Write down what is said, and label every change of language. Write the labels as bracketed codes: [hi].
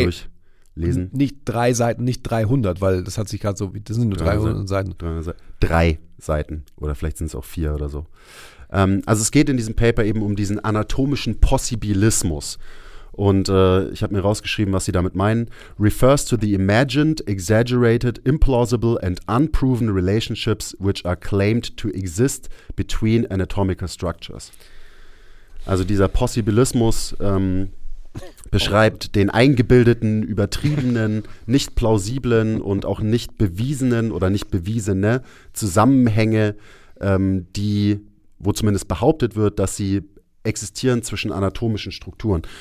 [de] jeder durchlesen. Nicht 3 Seiten, nicht 300, weil das hat sich gerade so, das sind nur 300 Seiten. 3 Seiten oder vielleicht sind es auch 4 oder so. Also es geht in diesem Paper eben um diesen anatomischen Possibilismus. Und ich habe mir rausgeschrieben, was sie damit meinen. [en] Refers to the imagined, exaggerated, implausible and unproven relationships which are claimed to exist between anatomical structures. [de] Also dieser Possibilismus beschreibt den eingebildeten, übertriebenen, nicht plausiblen und auch nicht bewiesenen oder nicht bewiesene Zusammenhänge, wo zumindest behauptet wird, dass sie existieren zwischen anatomischen Strukturen.